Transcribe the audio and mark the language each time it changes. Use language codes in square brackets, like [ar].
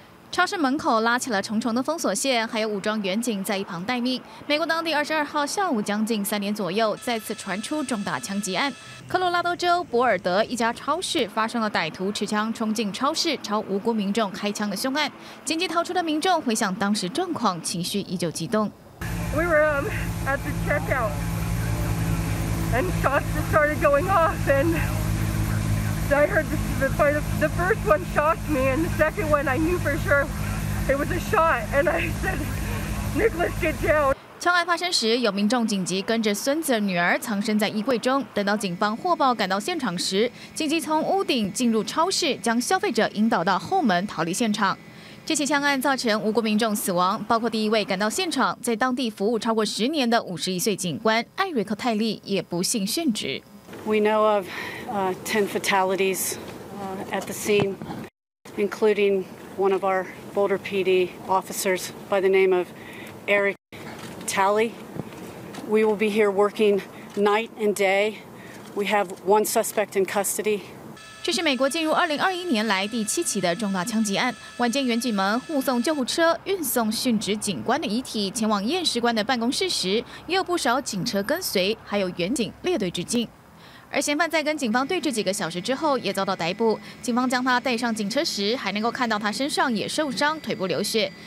[zh] 超市门口拉起了重重的封锁线，还有武装员警在一旁待命。美国当地22号下午将近3点左右，再次传出重大枪击案。科罗拉多州博尔德一家超市发生了歹徒持枪冲进超市，朝无辜民众开枪的凶案。紧急逃出的民众回想当时状况，情绪依旧激动。 [en] We were at the checkout, and shots just started going off, and. I heard the first one shocked me, and the second one I knew for sure it was a shot, and I said, Nicholas, get down. [zh] 枪案发生时，有民众紧急跟着孙子女儿藏身在衣柜中，等到警方获报赶到现场时，紧急从屋顶进入超市，将消费者引导到后门逃离现场。这起枪案造成无辜民众死亡，包括第一位赶到现场在当地服务超过10年的51岁警官艾瑞克泰利也不幸殉职。 [en] We know of 10 fatalities at the scene, including one of our Boulder PD officers by the name of Eric Talley. We will be here working night and day. We have one suspect in custody. [zh] 这是美国进入2021年来第7起的重大枪击案。晚间，员警们护送救护车运送殉职警官的遗体前往验尸官的办公室时，也有不少警车跟随，还有员警列队致敬。而嫌犯在跟警方对峙几个小时之后，也遭到逮捕。警方将他带上警车时，还能够看到他身上也受伤，腿部流血。